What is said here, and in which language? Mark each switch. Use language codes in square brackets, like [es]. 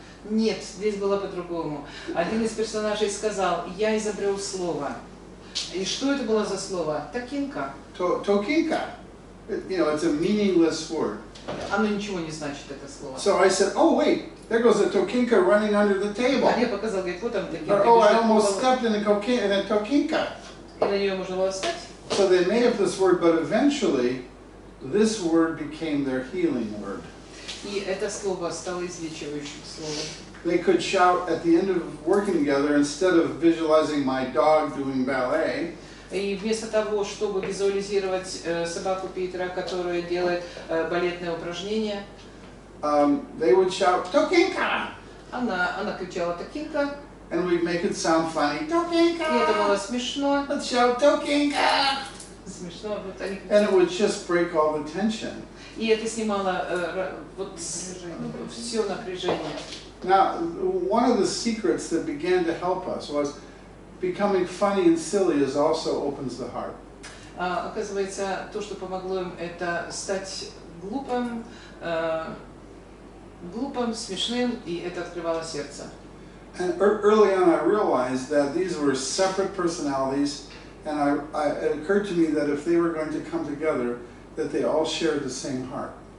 [ru] Нет, здесь было по-другому. Один из персонажей сказал, я изобрел слово. И что это было за слово? Tokinka. [en] Tokinka. You know, it's a meaningless word. [ru] Оно ничего не значит, это слово. [en] So I said, oh wait, there goes a Tokinka running under the table. [ru] А я показал, говорит, вот там Tokinka. [en] Or, oh, I almost stepped in a Tokinka. [ru] И на нее можно было встать? [en] So they made up this word, but eventually, this word became their healing word. [ru] И это слово стало излечивающим словом. [en] They could shout at the end of working together, instead of visualizing my dog doing ballet, [ru] и вместо того, чтобы визуализировать собаку Питера, которая делает балетное упражнение, [en] they would shout, Tokinka! [ru] Она кричала Tokinka. [en] And we'd make it sound funny. Tokinka! [ru] И это было смешно. [en] Let's shout Tokinka! [ru] Смешно. Вот они кричали. [en] And it would just break all the tension. [ru] И это снимало вот все напряжение. [en] Now, one of the secrets that began to help us was becoming funny and silly is also opens the heart. [ru] Оказывается, то, что помогло им, это стать глупым, глупым, смешным, и это открывало сердце. [en] And early on, I realized that these were separate personalities, and it occurred to me that if they were going to come together, that they all shared the same heart.